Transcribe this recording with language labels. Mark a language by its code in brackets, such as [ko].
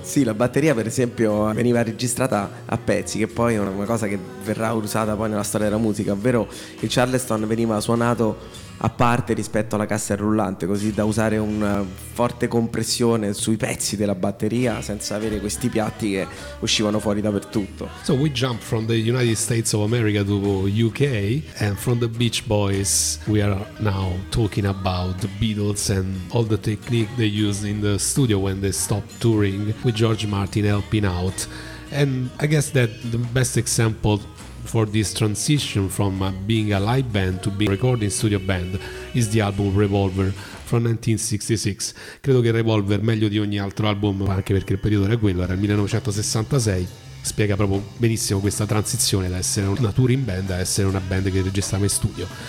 [it] Sì, la batteria per esempio veniva registrata a pezzi, che poi è una cosa che verrà usata poi nella storia della musica, ovvero il Charleston veniva suonato a parte rispetto alla cassa rullante, così da usare una forte compressione sui pezzi della batteria senza avere questi piatti che uscivano fuori dappertutto. [en] So we jump from the United States of America to UK, and from the Beach Boys we are now talking about the Beatles and all the technique they used in the studio when they stopped touring, with George Martin helping out. And I guess that the best example for this transition from being a live band to being a recording studio band is the album Revolver from 1966. [it] Credo che Revolver, meglio di ogni altro album, anche perché il periodo era quello, era il 1966, spiega proprio benissimo questa transizione da essere una touring band a essere una band che registrava in studio.